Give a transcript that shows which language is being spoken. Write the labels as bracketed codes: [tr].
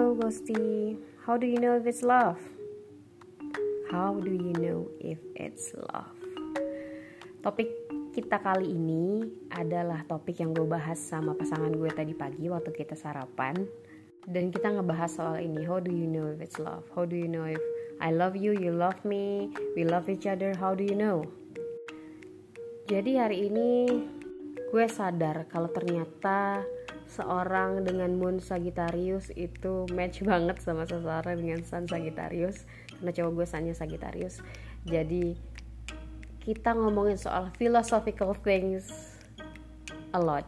[en] honesty, how do you know if it's love? How do you know if it's love? [id] Topik kita kali ini adalah topik yang gue bahas sama pasangan gue tadi pagi waktu kita sarapan. Dan kita ngebahas soal ini, [en] how do you know if it's love? How do you know if I love you, you love me, we love each other, how do you know? [id] Jadi hari ini gue sadar kalau ternyata seorang dengan Moon Sagittarius itu match banget sama seseorang dengan Sun Sagittarius. Karena cowok gue Sunnya Sagittarius. Jadi kita ngomongin soal [en] philosophical things a lot.